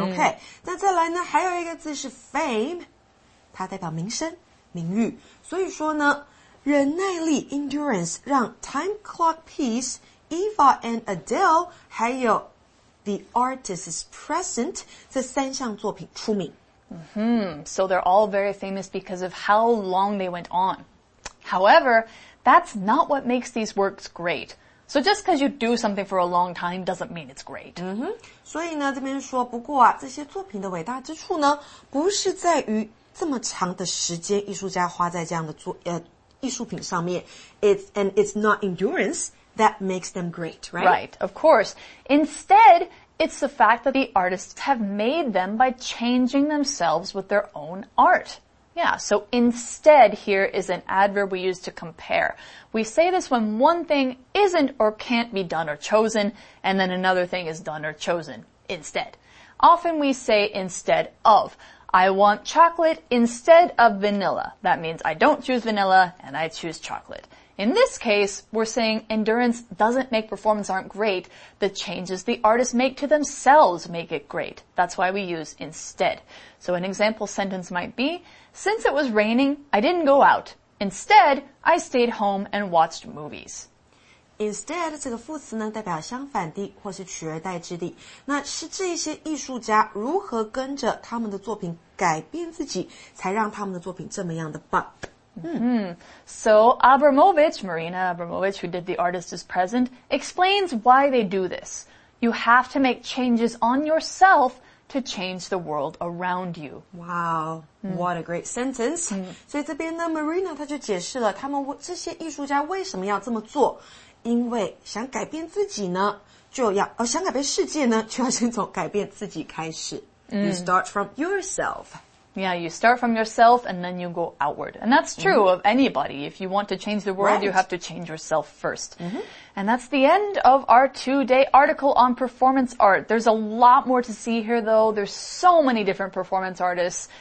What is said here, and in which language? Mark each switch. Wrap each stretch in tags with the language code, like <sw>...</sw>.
<zh>OK 那再来呢还有一个字是 fame 它代表名声名誉所以说呢忍耐力 endurance 让 time clock piece Eva and Adele 还有 the artist is present 这三项作品出名、 mm-hmm.</zh> <en>So they're all very famous because of how long they went on HoweverThat's not what makes these works great. So just because you do something for a long time doesn't mean it's great. Mm-hmm.</en> <zh>所以呢这边说不过啊这些作品的伟大之处呢不是在于这么长的时间艺术家花在这样的艺术品上面。</zh> <en>It's not endurance that makes them great, right? Right, of course. Instead, it's the fact that the artists have made them by changing themselves with their own art. Yeah, so instead here is an adverb we use to compare. We say this when one thing isn't or can't be done or chosen, and then another thing is done or chosen, instead. Often we say instead of. I want chocolate instead of vanilla. That means I don't choose vanilla, and I choose chocolate. In this case, we're saying endurance doesn't make performance aren't great. The changes the artists make to themselves make it great. That's why we use instead. So an example sentence might be,Since it was raining, I didn't go out. Instead, I stayed home and watched movies.</en> <zh>Instead, 这个副词呢代表相反的或是取而代之的。那是这些艺术家如何跟着他们的作品改变自己才让他们的作品这么样的棒。 Mm-hmm.</zh> <en>So Abramovich, Marina Abramovich, who did The Artist is Present, explains why they do this. You have to make changes on yourselfTo change the world around you. Wow, what a great sentence. Mm.</en> <zh>所以这边呢 ,Marina 她就解释了他们这些艺术家为什么要这么做。因为想改变自己呢就要想改变世界呢就要先从改变自己开始。 Mm.</zh> <en>You start from yourself. Yeah, you start from yourself and then you go outward. And that's true of anybody. If you want to change the world, you have to change yourself first. Mm-hmm. And that's the end of our two-day article on performance art. There's a lot more to see here, though. There's so many different performance artists.</en>